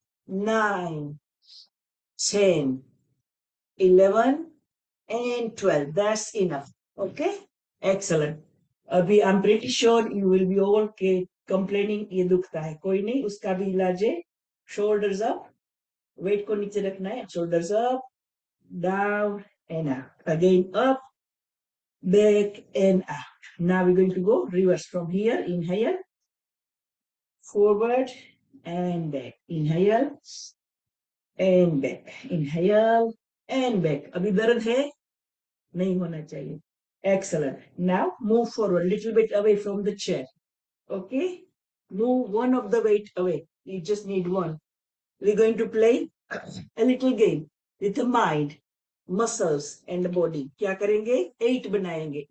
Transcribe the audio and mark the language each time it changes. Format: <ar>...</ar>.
<en>Nine, ten, eleven and twelve. That's enough. Okay, excellent.</en> <hi>अभी</hi> <en>I'm pretty sure you will be okay.</en> <hi>Complaining ये दुखता है कोई नहीं उसका भी इलाज है.</hi> <en>Shoulders up,</en> <hi>weight को नीचे रखना है.</hi> <en>Shoulders up, down and out. Again up, back and out. Now we're going to go reverse from here. Inhale, forward and back. Inhale and back. Inhale and back.</en> <hi>अभी दर्द है नहीं होना चाहिए.</hi> <en>Excellent. Now move forward, little bit away from the chair. Okay, move one of the weight away. You just need one. We're going to play a little game with the mind, muscles and the body.</en> <hi>Kya karenge? Eight banayenge.</hi>